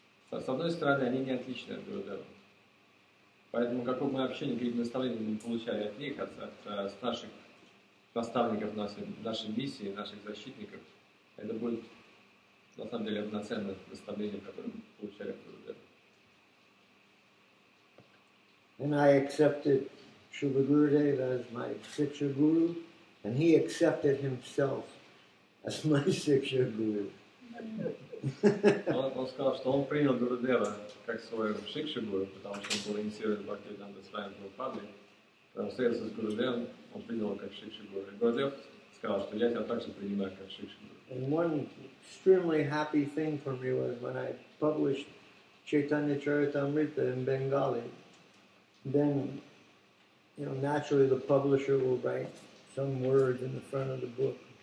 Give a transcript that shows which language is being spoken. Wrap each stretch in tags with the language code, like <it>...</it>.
<ru>С одной стороны, они не отличны от Гурудева. Поэтому какое бы мы общение, какие бы наставления мы получали от них, от наших наставников нашей миссии, наших защитников, это будет на самом деле одноценное наставление, которое мы получали от Гурудева.</ru> <en>And I accepted Shubha Gurudev as my Siksha Guru, and he accepted himself as my Siksha Guru.</en> <ru>Он сказал, что он принял Гурудева как свой Шикша Гуру, потому что он был инициирован Бхактивиданта Свами Прабхупадой. Когда он встретился с Гурудевом, он принял как Шикша Гуру. И Гурудев сказал, что я тебя также принимаю как Шикша Гуру.</ru> <en>And one extremely happy thing for me was when I published Chaitanya Charitamrita in Bengali, then, you know, naturally the publisher will write some words in the front of the book.</en>